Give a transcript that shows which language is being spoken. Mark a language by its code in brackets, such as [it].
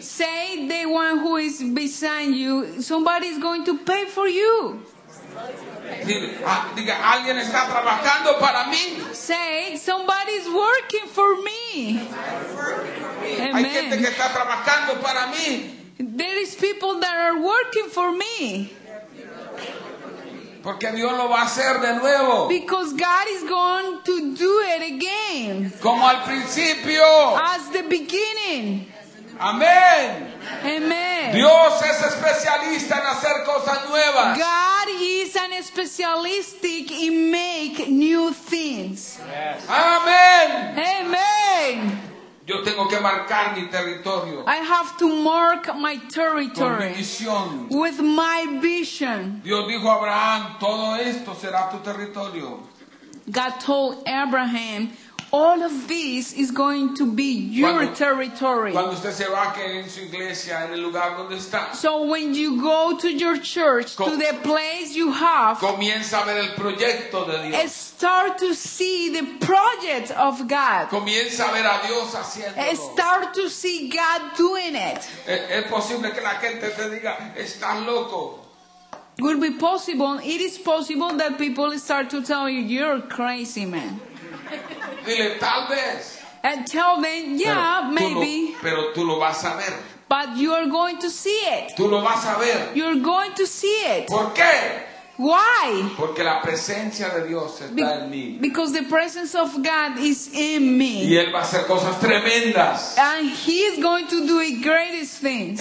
[en] Say the one who is beside you, somebody is going to pay for you. [es] Dile, diga, alguien está trabajando para mí. [en] Say, somebody's working for me. [es] Amen. Hay gente que está trabajando para mí. [en] There is people that are working for me. [es] Porque Dios lo va a hacer de nuevo. [en] Because God is going to do it again. [es] Como al principio. [en] As the beginning. [es] Amén. [en] Amen. [es] Dios es especialista en hacer cosas nuevas. [en] God is an specialist in make new things. Yes. Amen. Amen. [es] Yo tengo que marcar mi territorio. [en] I have to mark my territory. [es] Con mi visión. [en] With my vision. [es] Dios dijo a Abraham, todo esto será tu territorio. [en] God told Abraham, all of this is going to be your territory. So when you go to your church, to the place you have, [es] comienza a ver el proyecto de Dios. [en] Start to see the project of God. [es] Comienza a ver a Dios haciéndolo. [en] Start to see God doing it. [es] Es posible que la gente te diga, estás loco. [en] Will be possible. It is possible that people start to tell you, you're crazy, man. [es] Dile, tal vez. [en] And tell them, yeah, [es] pero [en] maybe. [es] Pero tú lo vas a ver. [en] But you are going to see it. [es] Tú lo vas a ver. [en] You're going to see it. [es] ¿Por qué? [en] Why? [es] Porque la presencia de Dios está en mí. [en] Because the presence of God is in me. [es] Y Él va a hacer cosas tremendas. [en] And He is going to do the greatest things.